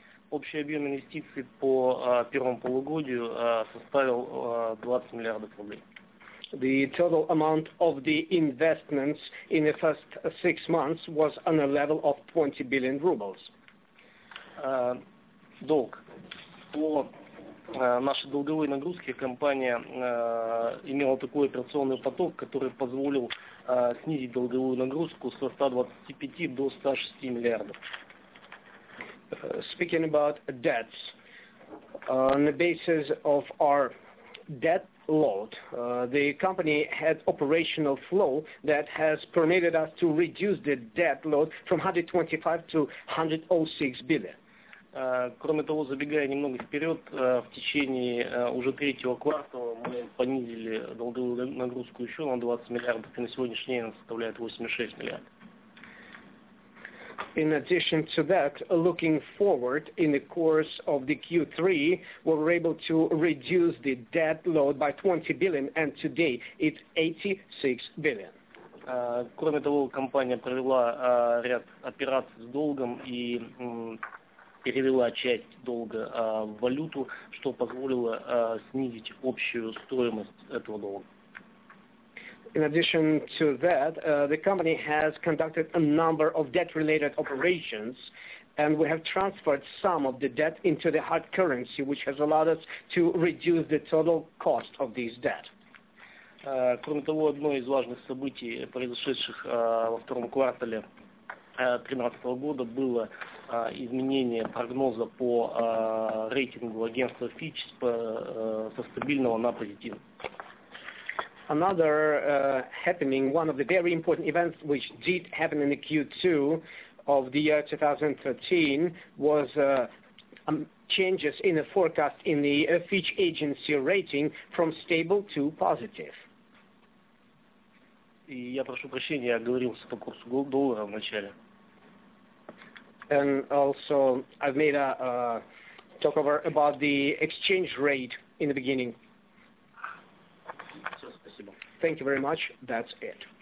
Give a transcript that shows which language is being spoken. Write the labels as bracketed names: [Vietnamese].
[Russian] Общий объем инвестиций по первому полугодию составил 20 миллиардов рублей. [English] The total amount of the investments in the first 6 months was on a level of 20 billion rubles. [Russian] Долг. По нашей долговой нагрузке компания имела такой операционный поток, который позволил снизить долговую нагрузку со 125 до 106 миллиардов. [English] Speaking about debts, on the basis of our debt load, the company had operational flow that has permitted us to reduce the debt load from 125 to 106 billion. [Russian] Кроме того, забегая немного вперед, в течение уже третьего квартала мы понизили долговую нагрузку еще на 20 миллиардов, и на сегодняшний день она составляет 86 миллиардов. [English] In addition to that, looking forward in the course of the Q3, we were able to reduce the debt load by 20 billion, and today it's 86 billion. [Russian] Кроме того, компания провела ряд операций с долгом и перевела часть долга в валюту, что позволило снизить общую стоимость этого долга. [English] In addition to that, the company has conducted a number of debt-related operations, and we have transferred some of the debt into the hard currency, which has allowed us to reduce the total cost of this debt. [Russian] Кроме того, одно из важных событий, произошедших во втором квартале 2013 года, было изменение прогноза по рейтингу агентства Fitch со стабильного на позитив. [English] Another happening, one of the very important events which did happen in the Q2 of the year 2013 was changes in the forecast in the Fitch agency rating from stable to positive. [Russian] И я прошу прощения, я оговорился по курсу доллара в начале. [English] And also, I've made a talk over about the exchange rate in the beginning. Thank you very much. That's it.